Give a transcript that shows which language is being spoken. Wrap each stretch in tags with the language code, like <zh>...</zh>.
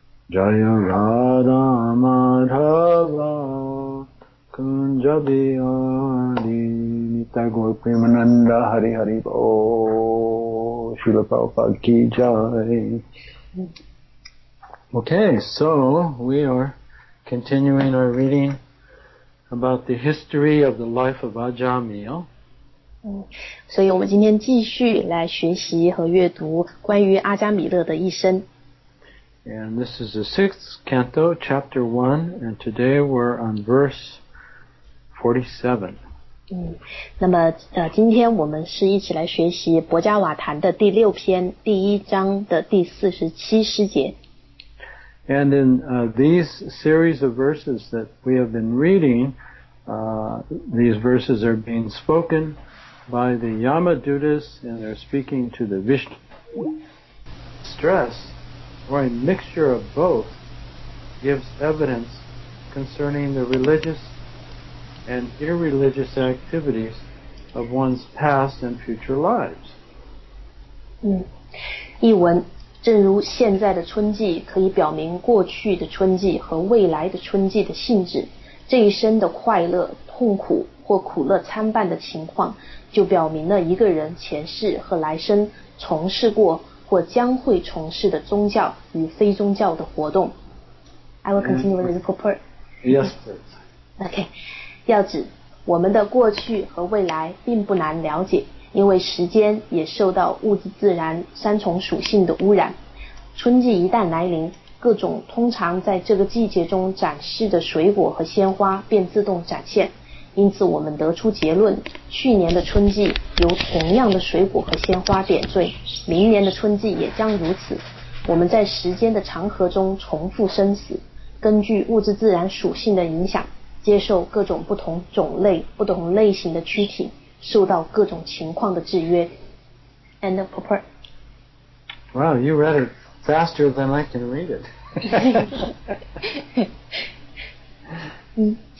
<sa>Jaya Radha MadhavaKunja Bihari Nita Gaur Premananda Hari Hari Bo Srila Prabhupada Ki Jai.</sa> <en>Okay, so we are continuing our reading about the history of the life of Ajamil.</en> <zh>所以我们今天继续来学习和阅读关于阿加米勒的一生。</zh> <en>And this is the sixth canto, chapter 1, and today we're on verse 47.</en> <zh>那么今天我们是一起来学习博加瓦坛的第六篇第一章的第47诗节。</zh> <en>And in these series of verses that we have been reading, these verses are being spoken by the Yamadutas and they're speaking to the Vishnu. Stress or a mixture of both gives evidence concerning the religiousand irreligious activities of one's past and future lives.</en> <zh>译文，正如现在的春季可以表明过去的春季和未来的春季的性质，这一生的快乐、痛苦或苦乐参半的情况，就表明了一个人前世和来生从事过或将会从事的宗教与非宗教的活动。</zh> <en>I will continue with the purport. Yes, please. Okay.</en> <zh>要指我们的过去和未来并不难了解，因为时间也受到物质自然三重属性的污染。春季一旦来临，各种通常在这个季节中展示的水果和鲜花便自动展现，因此我们得出结论，去年的春季由同样的水果和鲜花点缀，明年的春季也将如此。我们在时间的长河中重复生死，根据物质自然属性的影响接受各种不同种类、不同类型的躯体，受到各种情况的制约。</zh> <en>End of purport. Wow, you read it faster than I can read it.</en>